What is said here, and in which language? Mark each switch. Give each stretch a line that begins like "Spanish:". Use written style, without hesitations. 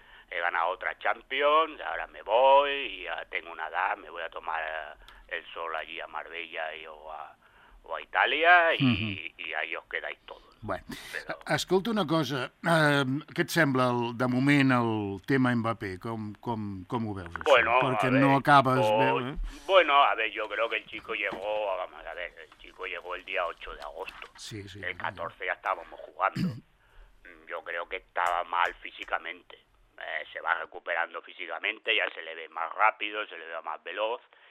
Spanish: He ganado otra Champions, ahora me voy y ya tengo una edad, me voy a tomar el sol allí a Marbella o a
Catalan: Itàlia i
Spanish: ahí os quedáis todos.
Catalan: Bueno, però... escolta una cosa, què et sembla de moment el tema Mbappé? Com ho veus?
Spanish: Bueno,
Catalan: perquè
Spanish: ver,
Catalan: no acabes bé.
Spanish: Bueno, a ver, yo creo que el chico llegó el día 8 de agosto. Sí, sí. El 14 ya estábamos jugando. Yo creo que estaba mal físicamente. Se va recuperando físicamente, ya se le ve más rápido, se le ve más veloz.